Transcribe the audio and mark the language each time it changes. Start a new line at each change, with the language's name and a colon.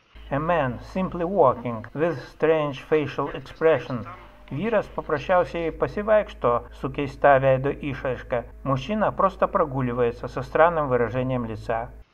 English: A man, simply walking, with strange facial expression.
Lithuanian: Vyras paprasčiausiai pasivaikšto su keista veido išraiška.
Russian: Мужчина просто прогуливается со странным выражением лица.